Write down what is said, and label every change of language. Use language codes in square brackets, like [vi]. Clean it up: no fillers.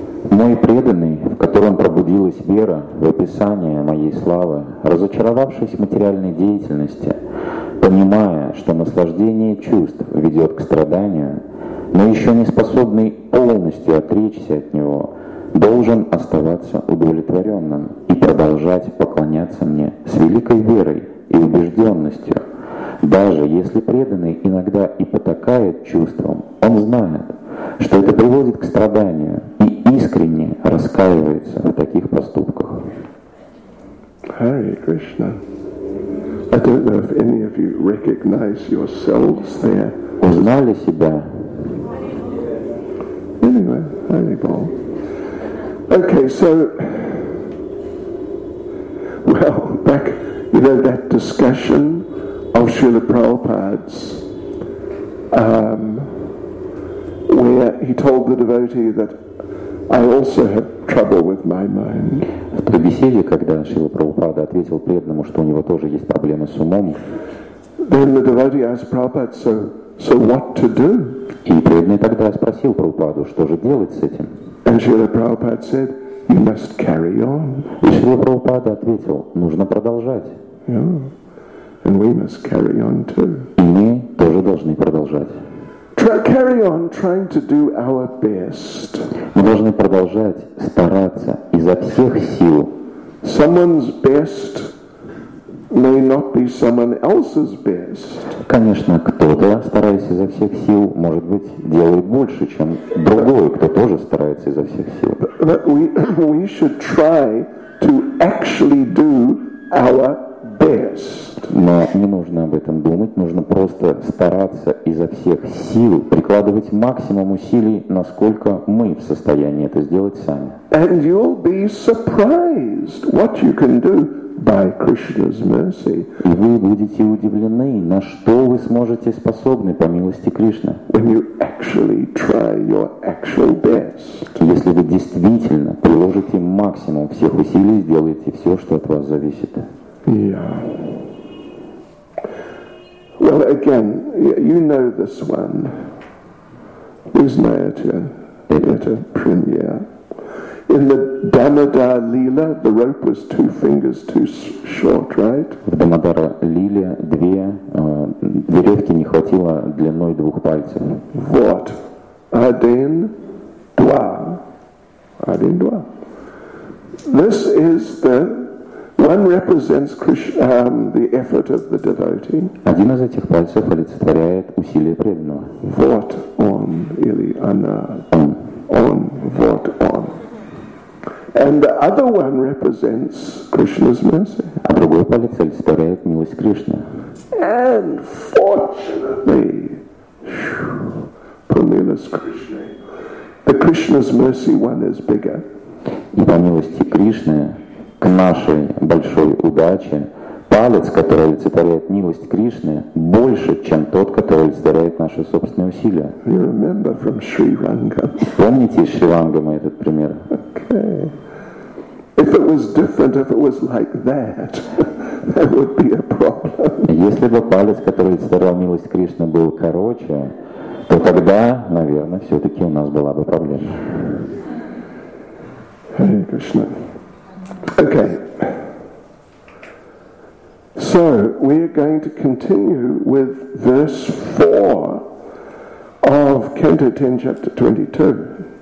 [ru] Мой преданный, в котором пробудилась вера в описание моей славы, разочаровавшись в материальной деятельности, понимая, что наслаждение чувств ведет к страданию, но еще не способный полностью отречься от него, должен оставаться удовлетворенным и продолжать поклоняться мне с великой верой и убежденностью. Даже если преданный иногда и потакает чувством, он знает, что это приводит к страданию и искренне раскаивается в таких поступках. [en] Hare Krishna. I don't know if any of you recognize yourselves there. [ru] Узнали себя? [en] Anyway, Hare Bol. Okay, so, well, back, you know, that discussion of Srila Prabhupada's, where he told the devotee that I also have trouble with my mind. [ru] В той беседе, когда Шрила Прабхупада ответил преданному, что у него тоже есть проблемы с умом, [en] then the devotee asked Prabhupada, so what to do? [ru] И преданный тогда спросил Прабхупаду, что же делать с этим? [en] And Srila Prabhupada said, you must carry on. [ru] И Шрила Прабхупада ответил, нужно продолжать. [en] Yeah. And we must carry on too. [ru] И мы тоже должны продолжать. [en] Carry on trying to do our best. [ru] Мы должны продолжать стараться изо всех сил. [en] Someone's best may not be someone else's best. [ru] Конечно, кто-то, стараясь изо всех сил, может быть, делает больше, чем другой, кто тоже старается изо всех сил. [en] But we should try to actually do our best. [ru] Но не нужно об этом думать, нужно просто стараться изо всех сил, прикладывать максимум усилий, насколько мы в состоянии это сделать сами. [en] And you'll be surprised what you can do by Krishna's mercy. [ru] И вы будете удивлены, на что вы сможете способны по милости Кришны. [en] When you actually try your actual best. [ru] Если вы действительно приложите максимум всех усилий, сделаете все, что от вас зависит. Yeah. [en] Well, again, you know this one. [ru] Вы знаете, это премьер. [en] In the Damodara Lila, the rope was two fingers too short, right? [ru] В Damodara Lila две веревки не хватило длиной двух пальцев. Вот. Один, два. Один, два. [en] This is the one represents the effort of the devotee. [ru] Один из этих пальцев олицетворяет усилие преданного. Вот он или она. Он. Вот он. [en] And the other one represents Krishna's mercy. [ru] А другой палец олицетворяет милость Кришны. [en] And fortunately, Pramila's Krishna. The Krishna's mercy one is bigger. [ru] И по милости Кришны, к нашей большой удаче, палец, который олицетворяет милость Кришны, больше, чем тот, который олицетворяет наши собственные усилия. [en] You remember from Sri Ranga. [ru] Помните из Шри-Рангамы этот пример? [en] Okay. If it was different, if it was like that, that would be a problem. [ru] Если бы палец, который олицетворял милость Кришны, был короче, то тогда, наверное, все-таки у нас была бы проблема. [en] Hare Krishna. Okay, so we are going to continue with verse 4 of Canto 10, chapter 22.